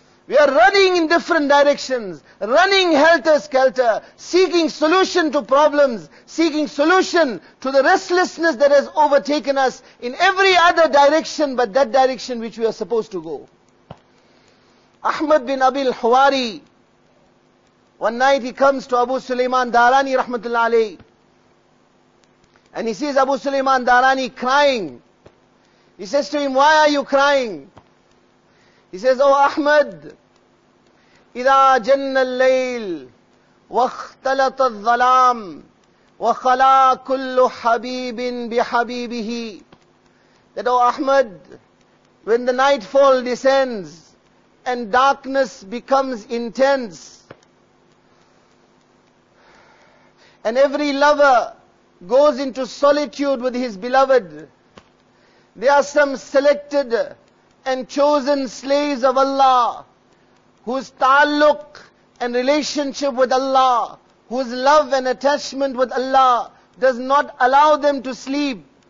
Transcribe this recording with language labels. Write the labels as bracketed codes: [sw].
[en] We are running in different directions, running helter-skelter, seeking solution to problems, seeking solution to the restlessness that has overtaken us in every other direction but that direction which we are supposed to go. Ahmad bin Abil Huwari, one night he comes to Abu Sulaiman Darani rahmatullah alayhi, and he sees Abu Sulaiman Darani crying. He says to him, "Why are you crying?" He says, "Oh Ahmad, [ar] إِذَا جَنَّ اللَّيْلِ وَاخْتَلَطَ الظَّلَامِ وَخَلَا كُلُّ حَبِيبٍ بِحَبِيبِهِ." [en] That, oh Ahmad, when the nightfall descends and darkness becomes intense and every lover goes into solitude with his beloved, there are some selected and chosen slaves of Allah whose ta'alluq and relationship with Allah, whose love and attachment with Allah does not allow them to sleep.